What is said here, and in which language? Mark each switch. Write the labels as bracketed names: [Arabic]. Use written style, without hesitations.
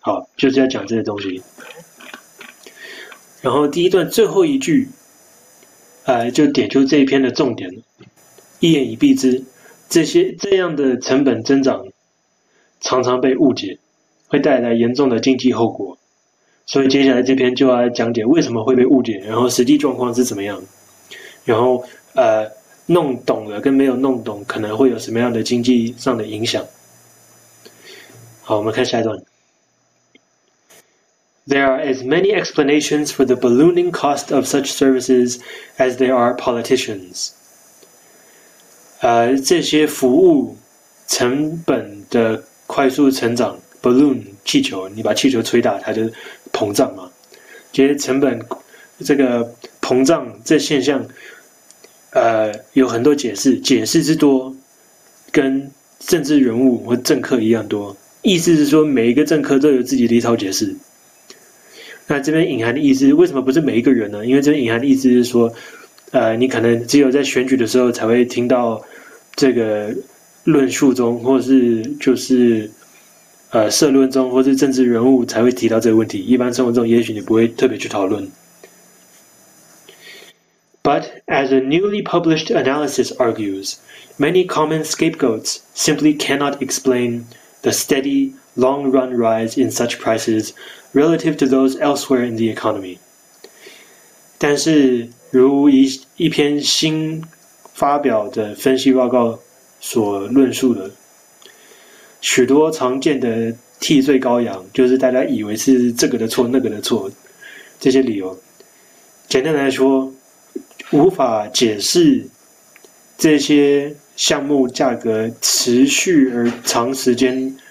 [Chinese] 好，就是要讲这些东西。然后第一段最后一句，就点出这一篇的重点，一言以蔽之，这样的成本增长常常被误解，会带来严重的经济后果。所以接下来这篇就要讲解为什么会被误解，然后实际状况是怎么样，然后弄懂了跟没有弄懂可能会有什么样的经济上的影响。好，我们看下一段。 [English] There are as many explanations for the ballooning cost of such services as there are politicians。 [Chinese] 这些服务成本的快速成长，balloon 气球，你把气球吹大，它就膨胀嘛，这些成本，这个膨胀这现象，有很多解释，解释之多，跟政治人物或政客一样多。意思是说，每一个政客都有自己的一套解释。那这边隐含的意思，为什么不是每一个人呢？因为这边隐含的意思是说，你可能只有在选举的时候才会听到这个论述中，或是就是。社论中或是政治人物才会提到这个问题，一般生活中也许你不会特别去讨论。 [English] But as a newly published analysis argues, many common scapegoats simply cannot explain the steady, long-run rise in such prices relative to those elsewhere in the economy. [Chinese] 但是，如一篇新发表的分析报告所论述的，许多常见的替罪羔羊，就是大家以为是这个的错、那个的错，这些理由，简单来说，无法解释这些项目价格持续而长时间